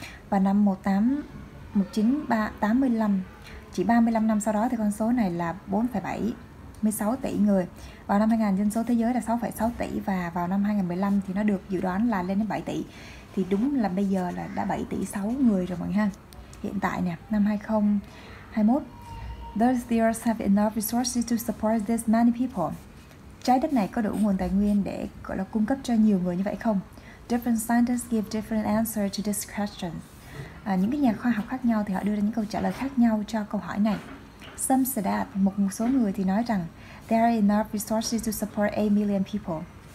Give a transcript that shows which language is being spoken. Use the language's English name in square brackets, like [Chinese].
[Vietnamese] Và năm 1985, chỉ 35 năm sau đó thì con số này là 4,76 tỷ người. Vào năm 2000 dân số thế giới là 6,6 tỷ, và vào năm 2015 thì nó được dự đoán là lên đến 7 tỷ. Thì đúng là bây giờ là đã 7 tỷ 6 người rồi mọi người ha. Hiện tại nè, năm 2021. [English] Does the earth have enough resources to support this many people? [Vietnamese] Trái đất này có đủ nguồn tài nguyên để gọi là cung cấp cho nhiều người như vậy không? [English] Different scientists give different answers to this question. [Vietnamese] những cái nhà khoa học khác nhau thì họ đưa ra những câu trả lời khác nhau cho câu hỏi này. [English] Some said that, [Vietnamese] một số người thì nói rằng [English] there are enough resources to support 8 million people.